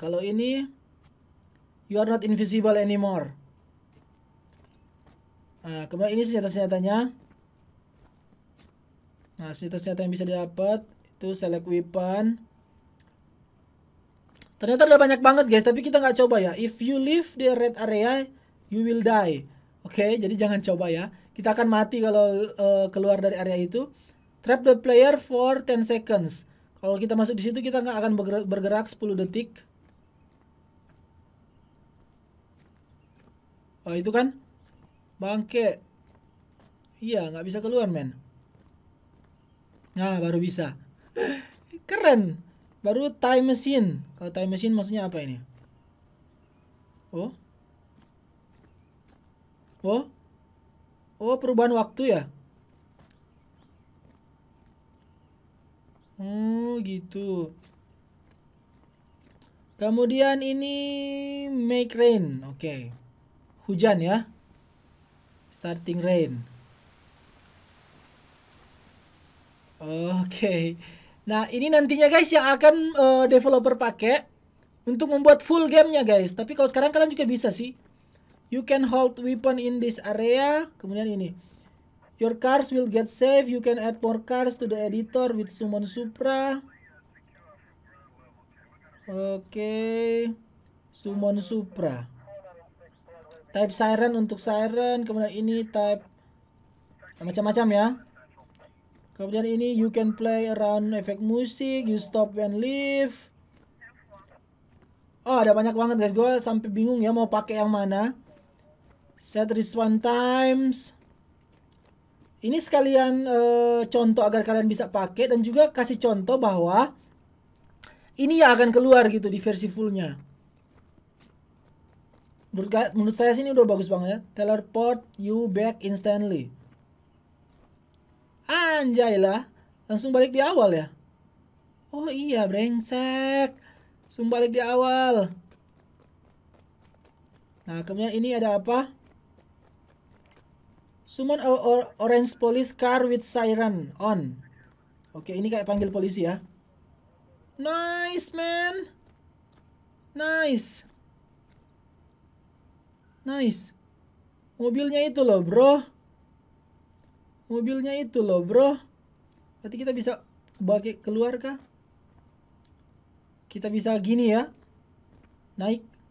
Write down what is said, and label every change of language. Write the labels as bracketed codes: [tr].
[id] Kalau ini, [en] you are not invisible anymore. [id] Nah, kemudian ini senjata-senjatanya. Nah, senjata-senjata yang bisa didapat. Itu select weapon. Ternyata udah banyak banget, guys. Tapi kita nggak coba ya. [en] If you leave the red area, you will die. [id] Oke, okay, jadi jangan coba ya. Kita akan mati kalau keluar dari area itu. [en] Trap the player for 10 seconds. [id] Kalau kita masuk di situ, kita nggak akan bergerak 10 detik. Oh, itu kan? Bangke. Iya, nggak bisa keluar, men. Nah, baru bisa. Keren. Baru time machine. Kalau time machine maksudnya apa ini? Oh. Oh, oh perubahan waktu ya? Gitu. Kemudian ini make rain, oke. Okay. Hujan ya. [en] Starting rain. Oke. Okay. [id] Nah ini nantinya guys yang akan developer pakai untuk membuat full gamenya guys. Tapi kalau sekarang kalian juga bisa sih. [en] You can hold weapon in this area. [id] Kemudian ini. [en] Your cars will get saved. You can add more cars to the editor with Summon Supra. Okay. Summon Supra. [id] Type siren untuk siren. Kemudian ini type. Macam-macam ya. Kemudian ini [en] you can play around effect music. You stop when leave. [id] Oh ada banyak banget guys. Gue sampai bingung ya mau pakai yang mana. [en] Set respawn times. [id] Ini sekalian contoh agar kalian bisa pakai dan juga kasih contoh bahwa ini yang akan keluar gitu di versi fullnya. Menurut saya sih ini udah bagus banget ya. [en] Teleport you back instantly. [id] Anjay lah. Langsung balik di awal ya. Oh iya, brengsek. Langsung balik di awal. Nah, kemudian ini ada apa? [en] Summon orange police car with siren on. [id] Oke, ini kayak panggil polisi ya. [en] Nice, man. Nice. [id] Nice. Mobilnya itu loh, bro. Mobilnya itu loh, bro. Berarti kita bisa bagi keluar kah? Kita bisa gini ya. Naik.